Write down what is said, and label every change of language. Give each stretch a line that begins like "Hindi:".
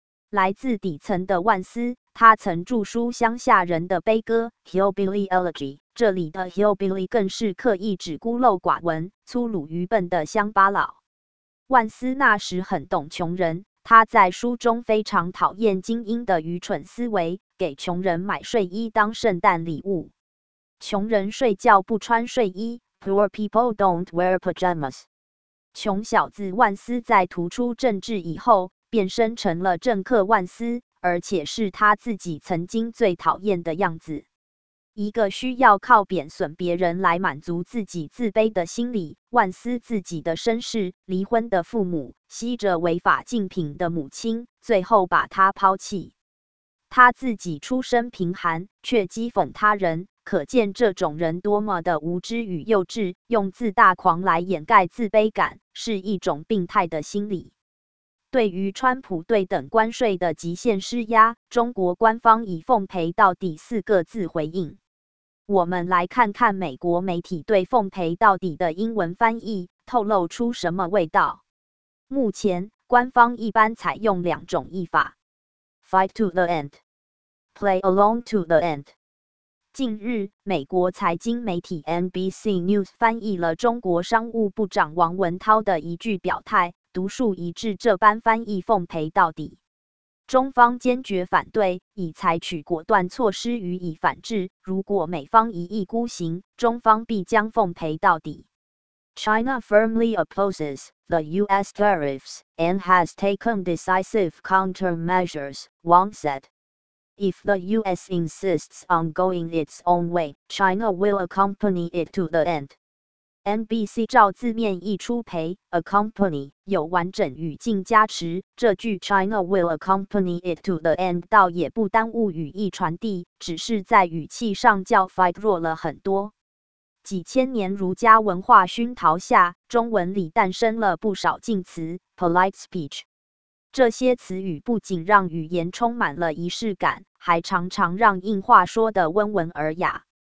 Chinese: 来自底层的万斯，他曾著书《乡下人的悲歌》（Hillbilly Elegy）， 这里的 Hillbilly 更是刻意指孤陋寡闻、粗鲁愚笨的乡巴佬。万斯那时很懂穷人，他在书中非常讨厌精英的愚蠢思维，给穷人买睡衣当圣诞礼物。穷人睡觉不穿睡衣 ，
English: Poor people don't wear pajamas。
Chinese: 穷小子万斯在突出政治以后，变身成了政客万斯，而且是他自己曾经最讨厌的样子。一个需要靠贬损别人来满足自己自卑的心理，万斯自己的身世，离婚的父母，吸着违法禁品的母亲，最后把他抛弃。他自己出身贫寒，却讥讽他人，可见这种人多么的无知与幼稚，用自大狂来掩盖自卑感，是一种病态的心理。对于川普对等关税的极限施压，中国官方以奉陪到底四个字回应。我们来看看美国媒体对奉陪到底的英文翻译透露出什么味道。目前官方一般采用两种译法，
English: Fight to the end， Play along to the end。
Chinese: 近日，美国财经媒体 NBC News 翻译了中国商务部长王文涛的一句表态，独树一帜这般翻译奉陪到底。中方坚决反对，已采取果断措施予以反制，如果美方一意孤行，中方必将奉陪到底。
English: China firmly opposes the US tariffs and has taken decisive countermeasures, Wang said. If the US insists on going its own way, China will accompany it to the end.
Chinese: NBC 照字面译出陪 accompany 有完整语境加持，这句
English: China will accompany it to the end
Chinese: 倒也不耽误语义传递，只是在语气上较 fight 弱了很多。几千年儒家文化熏陶下，中文里诞生了不少敬词
English: polite speech，
Chinese: 这些词语不仅让语言充满了仪式感，还常常让硬话说得温文尔雅。